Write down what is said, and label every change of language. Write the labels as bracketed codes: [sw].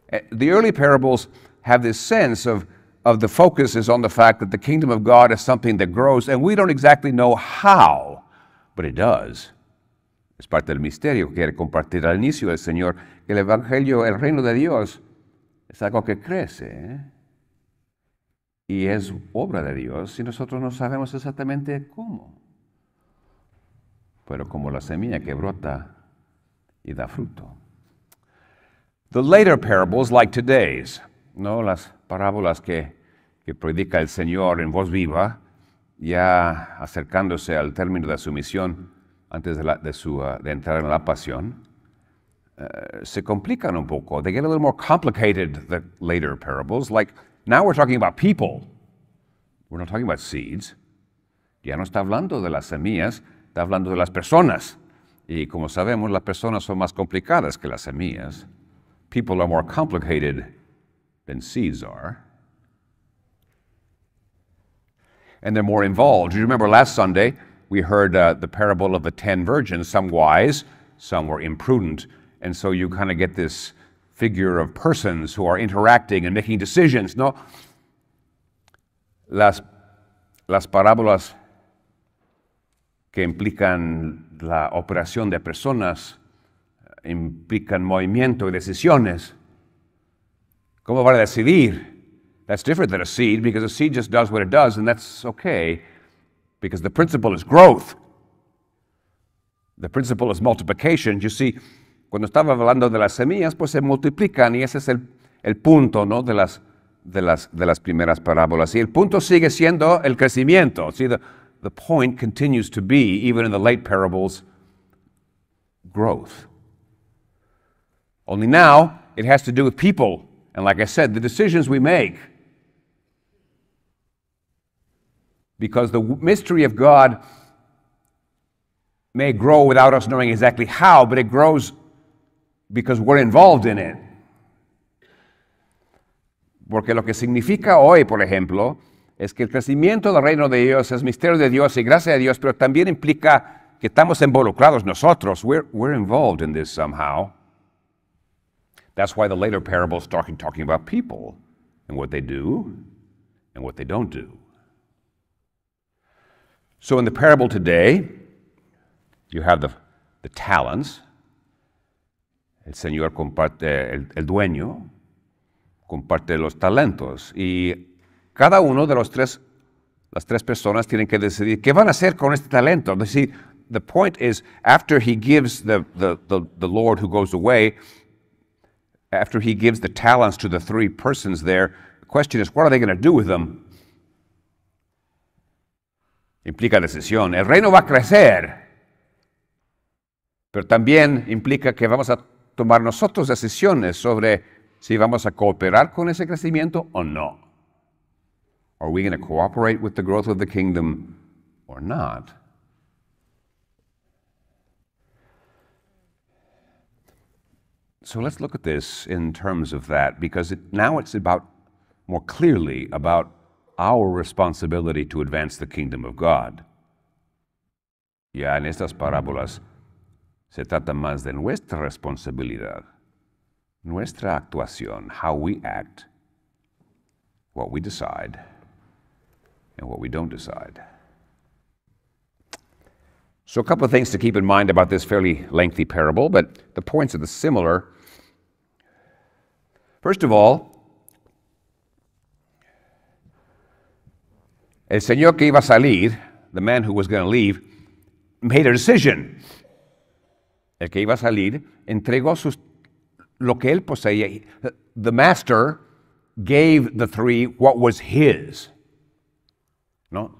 [en] The early parables have this sense of the focus is on the fact that the kingdom of God is something that grows, and we don't exactly know how, but it does. [es] Es parte del misterio que quiere compartir al inicio el Señor, que el Evangelio, el reino de Dios, es algo que crece, ¿eh? Y es obra de Dios, y nosotros no sabemos exactamente cómo. Pero como la semilla que brota y da fruto. [en] The later parables, like today's, [es] ¿no? Las parábolas que predica el Señor en voz viva, ya acercándose al término de su misión, antes de entrar en la pasión, se complican un poco. [en] They get a little more complicated, the later parables. Like, now we're talking about people. We're not talking about seeds. [es] Ya no está hablando de las semillas, está hablando de las personas. Y como sabemos, las personas son más complicadas que las semillas. [en] People are more complicated than seeds are. And they're more involved. You remember last Sunday, we heard the parable of the 10 virgins, some wise, some were imprudent. And so you kind of get this figure of persons who are interacting and making decisions, ¿no? [es] Las parábolas que implican la operación de personas implican movimiento y decisiones. ¿Cómo van a decidir? [en] That's different than a seed, because a seed just does what it does, and that's okay. Because the principle is growth. The principle is multiplication. You see, [es] cuando estaba hablando de las semillas, pues se multiplican, y ese es el punto, ¿no? De las primeras parábolas. Y el punto sigue siendo el crecimiento. [en] See, the point continues to be, even in the late parables, growth. Only now, it has to do with people. And like I said, the decisions we make. Because the mystery of God may grow without us knowing exactly how, but it grows because we're involved in it. [es] Porque lo que significa hoy, por ejemplo, es que el crecimiento del reino de Dios es misterio de Dios y gracia de Dios, pero también implica que estamos involucrados nosotros. [en] We're involved in this somehow. That's why the later parables start talking about people and what they do and what they don't do. So in the parable today, you have the talents. [es] El señor comparte, el dueño comparte los talentos. Y cada uno de los tres, las tres personas tienen que decidir qué van a hacer con este talento. [en] You see, the point is, after he gives the Lord who goes away, after he gives the talents to the three persons there, the question is, what are they going to do with them? [es] Implica decisión. El reino va a crecer. Pero también implica que vamos a tomar nosotros decisiones sobre si vamos a cooperar con ese crecimiento o no. [en] Are we going to cooperate with the growth of the kingdom or not? So let's look at this in terms of that, because now it's about, more clearly, about our responsibility to advance the kingdom of God. [es] Ya en estas parábolas se trata más de nuestra responsabilidad, nuestra actuación, [en] how we act, what we decide, and what we don't decide. So a couple of things to keep in mind about this fairly lengthy parable, but the points are the similar. First of all, [es] el señor que iba a salir, [en] the man who was going to leave, made a decision. [es] El que iba a salir entregó sus, lo que él poseía. [en] The master gave the three what was his, ¿no?